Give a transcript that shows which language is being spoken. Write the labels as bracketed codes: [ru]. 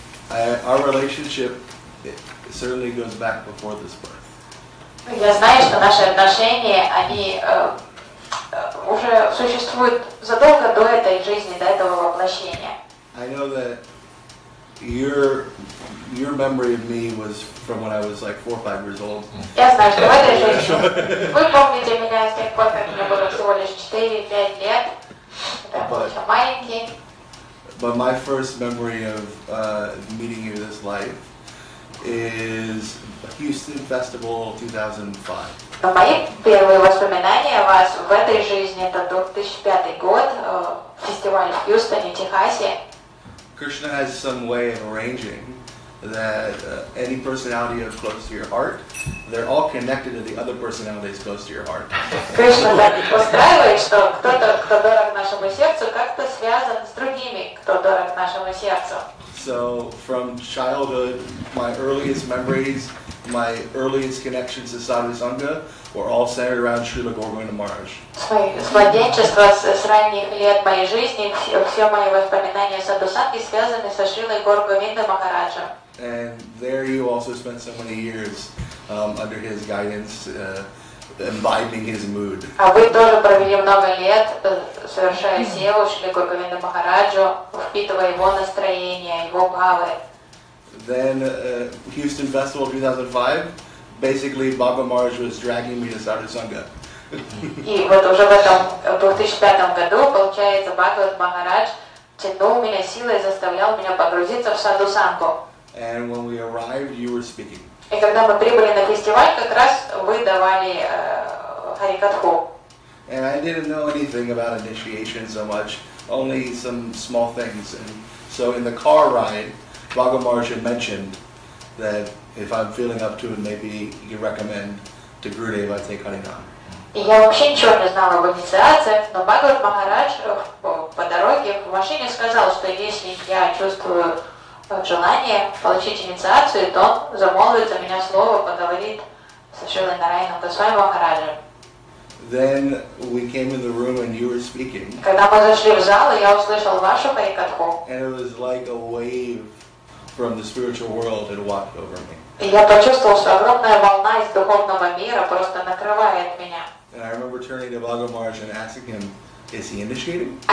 [en] Our relationship certainly goes back before this birth. [ru] Я знаю, что наши отношения, они уже существуют задолго до этой жизни, до этого воплощения. [en] I know that your memory of me was from when I was like 4 or 5 years old. [ru] Я знаю, что в этой жизни вы помните меня с тех пор, как мне было всего лишь 4-5 лет. Я маленький. [en] But my first memory of meeting you this life is Houston Festival 2005. [ru] Но мои первые воспоминания о вас в этой жизни это 2005 год, фестиваль в Хьюстоне, Техасе. [en] Krishna has some way of arranging that any personality that's close to your heart, they're all connected to the other personalities close to your heart. [ru] Krishna так устраивает, что кто-то, кто дорог нашему сердцу, как-то связан с другими, кто дорог нашему сердцу. [en] So from childhood, my earliest memories, my earliest connections to Sadhu Sangha were all centered around Srila Gauranga Maharaj. [ru] С младенчества, с ранних лет моей жизни, все мои воспоминания о Садху Санге связаны со Шрилой Гаурангой Махараджа. [en] And there you also spent so many years under his guidance, imbibing his mood. [ru] А вы тоже провели много лет, совершая севу Шрилой Гаурангой Махараджу, впитывая его настроение, его бхавы. [en] Then Houston Festival 2005, basically Baba Maharaj was dragging me to Sadhu Sangha. [ru] И вот уже в этом 2005 году, получается, Бхагават Махарадж тянул меня силой и заставлял меня погрузиться в Саду Санго. [en] And when we arrived, you were speaking. [ru] И когда мы прибыли на фестиваль, как раз вы давали харикатху. [en] And I didn't know anything about initiation so much, only some small things. And so in the car ride, Bhagavad Maharaj mentioned that if I'm feeling up to it, maybe you recommend to Gurudev I take Harinam. [ru] Я вообще ничего не знала об инициациях, но Бхагават Махарадж по дороге в машине сказал, что если я чувствую желание получить инициацию, то он замолвит за меня слово, поговорит со Шрилой Нараяном Госвами Махараджем. [en] Then we came in the room and you were speaking. [ru] Когда мы зашли в зал, я услышал вашу харикатху. [en] And it was like a wave from the spiritual world had washed over me. [ru] Я почувствовал, что огромная волна из духовного мира просто накрывает меня. [en] And I remember turning to Bhagavad Maharaj and asking him, is he initiated?